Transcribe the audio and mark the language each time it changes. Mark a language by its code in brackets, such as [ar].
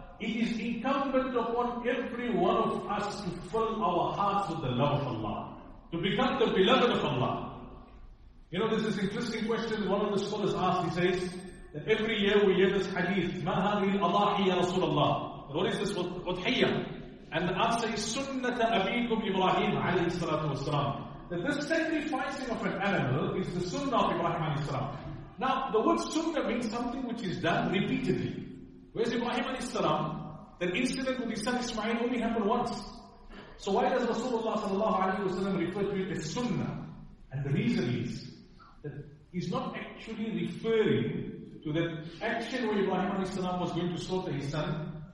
[en] It is incumbent upon every one of us to fill our hearts with the love of Allah. To become the beloved of Allah. You know, there's this interesting question one of the scholars asked. He says, that every year we hear this hadith, [ar] مَا هَذِي الْأَضَاحِي يَا رَسُولَ اللَّهِ. [en] What is this udhiyya? And the answer is [ar] سُنَّةَ أَبِيكُمْ إِبْرَاهِيمُ عَلَيْهِ السَّلَاةُ وَالسَّلَامُ. [en] That this sacrificing of an animal is the sunnah of Ibrahim alayhi salam. Now, the word sunnah means something which is done repeatedly. Whereas Ibrahim alayhi salam, that incident with his son Ismail only happened once. So why does Rasulullah sallallahu alayhi wa sallam refer to it as sunnah? And the reason is that he's not actually referring to that action where Ibrahim alayhi salam was going to slaughter his son.